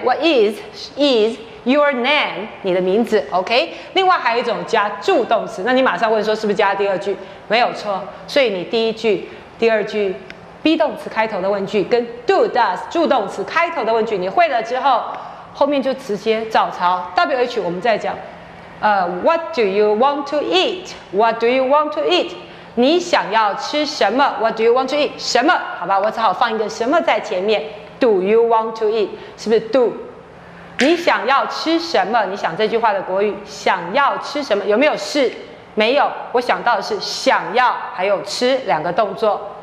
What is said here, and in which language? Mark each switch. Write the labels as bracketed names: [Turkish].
[English] What is your name? [Chinese] 你的名字 [English] ，OK? [Chinese] 另外还有一种加助动词，那你马上问说是不是加第二句？没有错。所以你第一句、第二句 be 动词开头的问句跟 do does 助动词开头的问句，你会了之后，后面就直接照抄。 [English] WH [Chinese] 我们再讲， [English] What do you want to eat? What do you want to eat? [Chinese] 你想要吃什么 [English] ？What do you want to eat？ [Chinese] 什么？好吧，我只好放一个什么在前面。 [English] Do you want to eat？ [Chinese] 是不是 do？ 你想要吃什么？你想这句话的国语，想要吃什么？有没有是？没有。我想到的是想要还有吃两个动作。